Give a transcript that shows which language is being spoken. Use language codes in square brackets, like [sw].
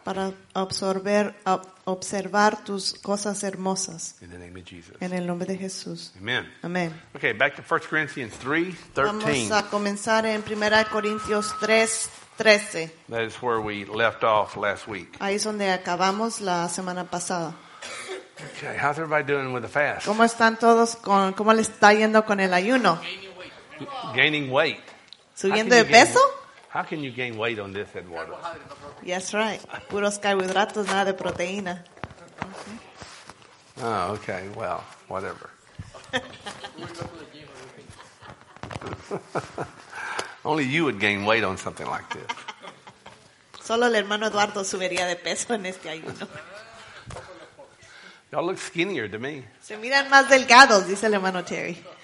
[es] Para observar tus cosas hermosas. [en] In the name of Jesus. [es] En el nombre de Jesús. [en] Amen. Amen. Okay, back to 1 Corinthians 3:13. [es] Vamos a comenzar en 1 Corintios 3. 13. [en] That is where we left off last week. [es] Ahí es donde acabamos la semana pasada. [en] Okay, how's everybody doing with the fast? [es] ¿Cómo están todos con cómo les está yendo con el ayuno? [en] Gaining weight. [es] ¿Subiendo de peso? [en] How can you gain weight on this, Eduardo? Yes, right. [es] Puros carbohidratos, nada de proteína. [en] Oh, okay. Well, whatever. Only you would gain weight on something like this. [es] Solo el hermano Eduardo subiría de peso en este ayuno. [en] Y'all look skinnier to me. [es] Se miran más delgados, dice el hermano Terry.